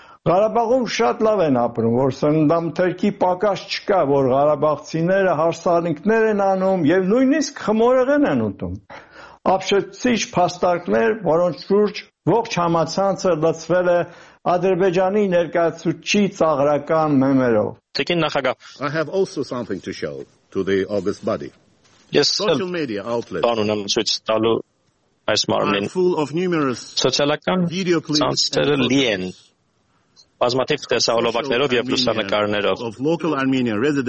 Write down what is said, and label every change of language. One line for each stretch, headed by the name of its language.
Armenian: Ղարաբաղում շատ լավ են ապրում, որ սննդամթերքի պակաս չկա, որ ղարաբաղցիները հարսանիքներ են անում և նույնիսկ խմորեղեն են ուտում։ Ապշեցիչ փաստարկներ, որոնց շուրջ Ողջ համացանցը լցվել է Ադրբեջանի ներկայացուցչի ծաղրական մեմերով. Տիկին նախագահ,
English: I have also something to show to the August body. Yes, social media outlet.
Armenian: Բանն ունեմ ցույց տալու այս մարմնին. Սոցիալական ցանցերը լի են բազմաթիվ տեսահոլովակներով եւ լուսանկարներով.